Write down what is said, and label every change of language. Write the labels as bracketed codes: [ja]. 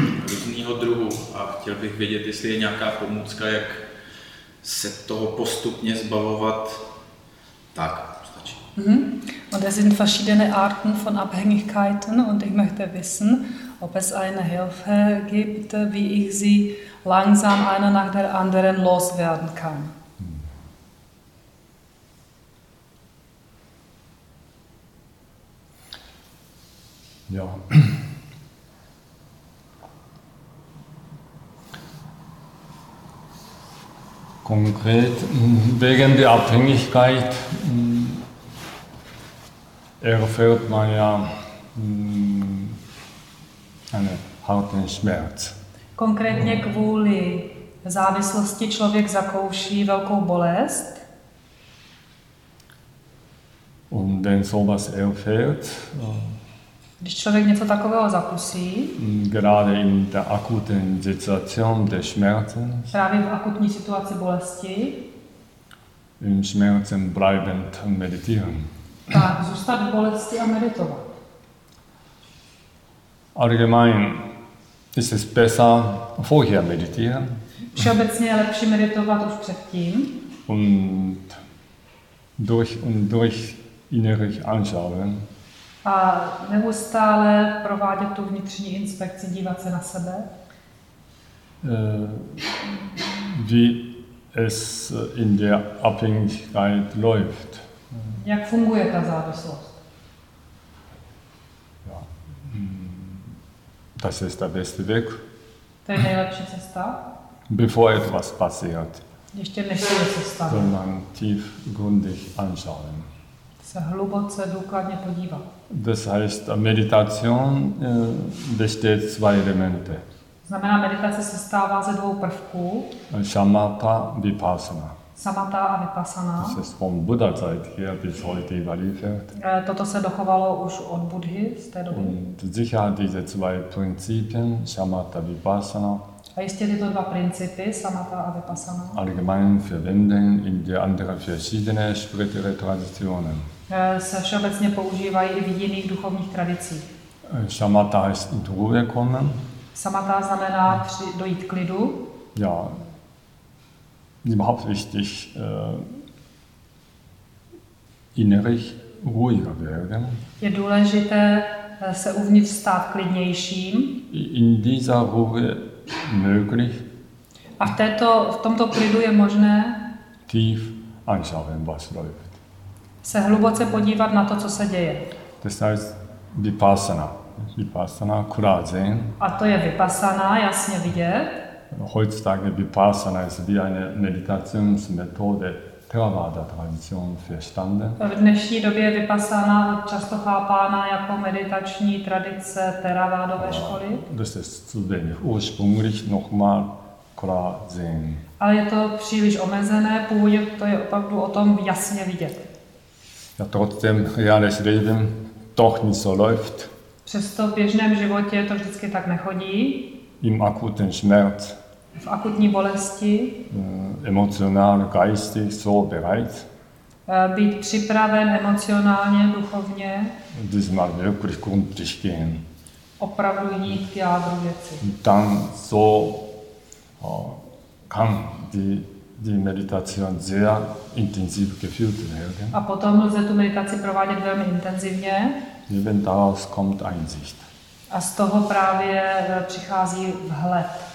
[cs] Různýho druhu a chtěl bych vědět, jestli je nějaká pomůcka, jak se toho postupně zbavovat. Tak, stačí. Mm-hmm. [de] Und es sind verschiedene Arten von Abhängigkeiten und ich möchte wissen, ob es eine Hilfe gibt, wie ich sie langsam einer nach der anderen loswerden kann. Ja. Konkret wegen der Abhängigkeit erfährt man ja einen harten Schmerz. [cs] Konkrétně kvůli závislosti člověk zakouší velkou bolest. [de] Und wenn sowas erfährt, [cs] když člověk něco takového zakusí, [de] gerade in der akuten Situation des Schmerzens, [cs] právě v akutní situaci bolesti, [de] im Schmerzen bleibend meditieren. [cs] Tak, zůstat v bolesti a meditovat. [de] Allgemein ist es besser vorher meditieren. [cs] Všeobecně je lepší meditovat už předtím. [de] Und durch innerlich anschauen. [cs] A neustále provádět tu vnitřní inspekci, dívat se na sebe. [de] Wie es in der Abhängigkeit läuft. [cs] Jak funguje ta závislost? [de] Ja. Das ist der beste Weg. [cs] To je nejlepší cesta. [de] Bevor etwas passiert. [cs] Ještě než se něco stane. [de] Soll man tiefgründig anschauen. [cs] Se hluboce, důkladně podívat. [de] Das heißt, Meditation besteht zwei Elemente. [cs] Znamená, meditace se stává ze dvou prvků. [de] Samatha, Vipassana. [cs] Samatha a Vipassana. [de] Das ist vom Buddha-Zeit her bis heute überliefert. [cs] Toto se dochovalo už od Buddhy z té doby. [de] Und sicher diese zwei Prinzipien, Samatha, Vipassana. [cs] A jistě tyto dva principy, Samatha a Vipassana. [de] Allgemein verwenden in die andere verschiedene spirituelle Traditionen. [cs] Se všeobecně používají i v jiných duchovních tradicích. [de] Samatha heißt in Ruhe kommen. [cs] Samatha znamená dojít klidu. [de] Ja, überhaupt wichtig, innerlich ruhiger werden. [cs] Je důležité se uvnitř stát klidnějším. [de] In dieser Ruhe möglich. [cs] A v tomto klidu je možné [de] tief anschauen, was läuft. [cs] Se hluboce podívat na to, co se děje. [de] Das heißt, Vipassana. Vipassana, klar sehen. [cs] A to je Vipassana, jasně vidět. [de] Heutzutage Vipassana ist wie eine Meditationsmethode Theravada Tradition verstanden. [cs] V dnešní době je Vipassana často chápána jako meditační tradice Theravádové školy. [de] Das ist zu wenig. Ursprünglich nochmal klar sehen. [cs] Ale je to příliš omezené, původně to je opravdu o tom jasně vidět. [de] Ja, trotzdem reales Leben doch nicht so läuft. [cs] Přesto v běžném životě to vždycky tak nechodí. [de] Im akuten Schmerz. [cs] V akutní bolesti. [de] Emocionál, geistig, so bereit. [cs] Být připraven emocionálně, duchovně. [de] Diesmal wirklich gründlich gehen. [cs] Opravdu jít k jádru věci. [de] Dann so kann die Meditation sehr intensiv geführt werden. [cs] A potom lze tu meditaci provádět velmi intenzivně. [de] Eben daraus kommt Einsicht. [cs] A z toho právě přichází vhled.